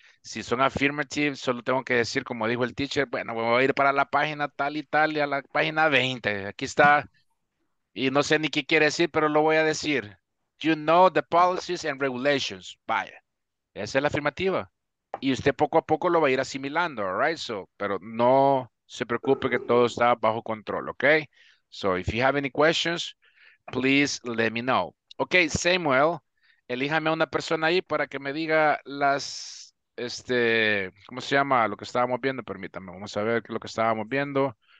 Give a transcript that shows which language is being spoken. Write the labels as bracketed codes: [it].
[es] Si son affirmative, solo tengo que decir, como dijo el teacher, bueno, voy a ir para la página tal y tal, y a la página 20. Aquí está. Y no sé ni qué quiere decir, pero lo voy a decir. [en] You know the policies and regulations. [es] Vaya. Esa es la afirmativa. Y usted poco a poco lo va a ir asimilando, all right? So, pero no. Se preocupe que todo está bajo control, ¿ok? [en] So, if you have any questions, please let me know. [es] Ok, Samuel, elíjame a una persona ahí para que me diga ¿cómo se llama lo que estábamos viendo? Permítame, vamos a ver qué es lo que estábamos viendo.